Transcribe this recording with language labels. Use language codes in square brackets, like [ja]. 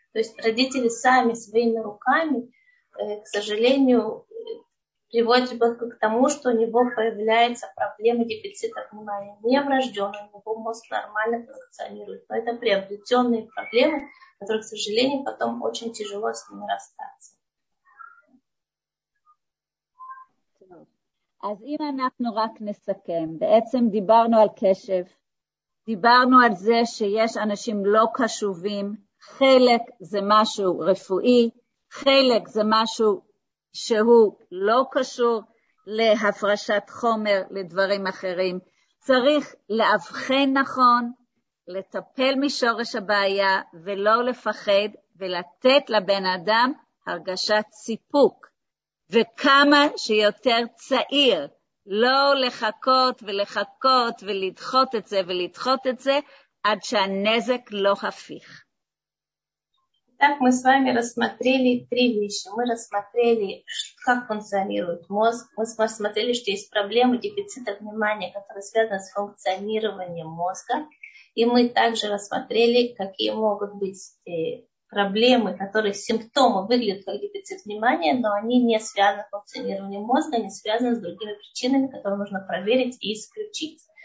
[ru] То есть родители сами своими руками, к сожалению, приводит ребенка к тому, что у него появляется проблема дефицита внимания. Не врожденный, у него мозг нормально функционирует. Но это приобретенные проблемы, которые, к сожалению, потом очень тяжело с ними расстаться. [he] אז אם אנחנו רק נסכם, בעצם דיברנו על קשב, דיברנו על זה שיש אנשים לא קשובים, חלק זה משהו רפואי, חלק זה משהו שהוא לא קשור להפרשת חומר לדברים אחרים. צריך לאבחן נכון, לטפל משורש הבעיה ולא לפחד, ולתת לבן אדם הרגשת סיפוק, וכמה שיותר צעיר, לא לחכות ולחכות ולדחות את זה ולדחות את זה עד שהנזק לא הפיך. [ru] Так мы с вами рассмотрели три вещи. Мы рассмотрели, как функционирует мозг. Мы рассмотрели, что есть проблемы дефицита внимания, которые связаны с функционированием мозга. И мы также рассмотрели, какие могут быть проблемы, которые симптомы выглядят как дефицит внимания, но они не связаны с функционированием мозга, они связаны с другими причинами, которые нужно проверить и исключить.